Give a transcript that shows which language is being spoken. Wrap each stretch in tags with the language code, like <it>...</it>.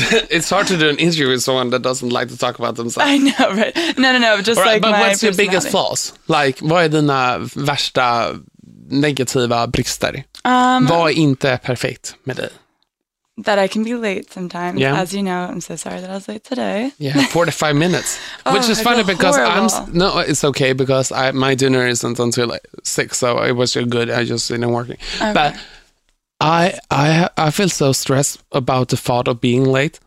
<en>It's hard to do an interview with someone that doesn't like to talk about themselves. I know, right? No. Just right, like but my what's your biggest flaws?</en> <sv>Like, vad är dina värsta negativa brister? Vad är inte perfekt med dig?</sv> <en>That I can be late sometimes. Yeah. As you know, I'm so sorry that I was late today. Yeah, 45 minutes. Which is funny because horrible. It's okay because my dinner isn't until like 6, so it was so good. I just didn't work. Okay. But I feel so stressed about the thought of being late.</en>